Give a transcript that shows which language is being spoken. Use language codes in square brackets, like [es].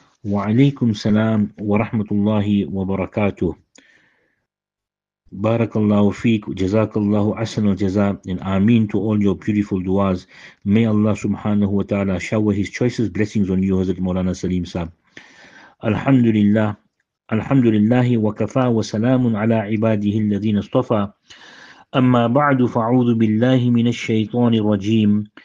[ar] وعليكم السلام ورحمة الله وبركاته. بارك الله فيك وجزاك الله أحسن الجزاء. [en] And آمين to all your beautiful duas. May Allah سبحانه وتعالى shower His choicest blessings on you, Hazrat مولانا سليم صاحب. [ar] الحمد لله الحمد لله وكفى وسلام على عباده الذين اصطفى. أما بعد فأعوذ بالله من الشيطان الرجيم.